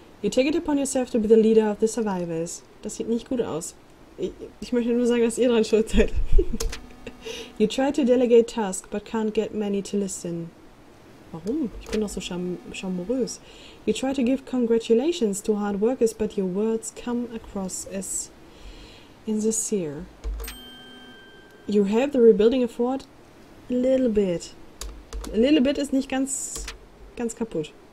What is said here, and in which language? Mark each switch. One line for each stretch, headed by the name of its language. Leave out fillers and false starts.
English: You take it upon yourself to be the leader of the survivors.
German: Das sieht nicht gut aus. Ich möchte nur sagen, dass ihr dran schuld seid.
English: You try to delegate tasks, but can't get many to listen. Warum?
German: Ich bin doch so charmorös.
English: You try to give congratulations to hard workers, but your words come across as insincere. You have the rebuilding effort a little bit. A little bit
German: ist nicht ganz kaputt.